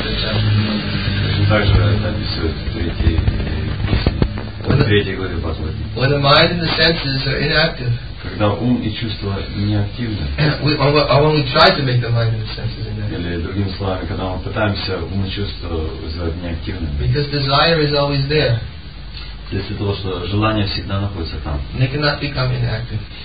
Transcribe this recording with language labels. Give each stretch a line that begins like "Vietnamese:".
Russian: Точно так же это описывает третьей главе Бхагавад-гиты.
English: When the mind and the senses are inactive.
Russian: Когда ум и чувства неактивны. Или другими словами, когда мы пытаемся ум и чувства сделать неактивными.
English: Because desire is always there.
Russian: Если то, что желание всегда находится там.
English: They cannot become inactive.